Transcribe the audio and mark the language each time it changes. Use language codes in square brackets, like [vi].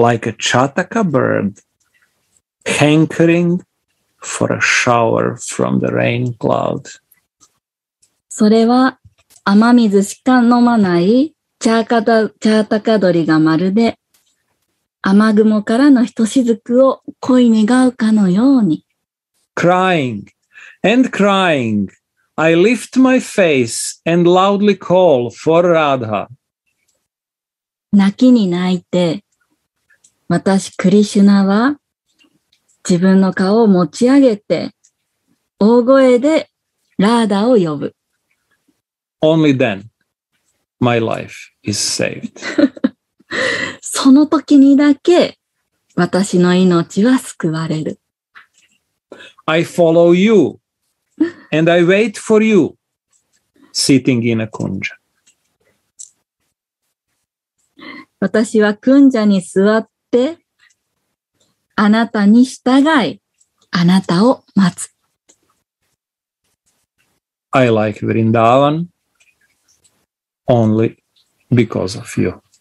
[en] Like a chataka bird, hankering for a shower from the rain cloud. [ja] それは雨水しか飲まないチャータカ鳥がまるで雨雲からのひとしずくを恋願うかのように。 [en] Crying and crying, I lift my face and loudly call for Radha. [ja] 泣きに泣いて、私クリシュナは自分の顔を持ち上げて大声でラーダを呼ぶ。 [en] Only then, my life is saved. [ja] その時にだけ私の命は救われる。 [en] I follow you and I wait for you sitting in a kunja. [ja] 私はクンジャに座ってあなたに従いあなたを待つ。 [en] I like Vrindavan only because of you.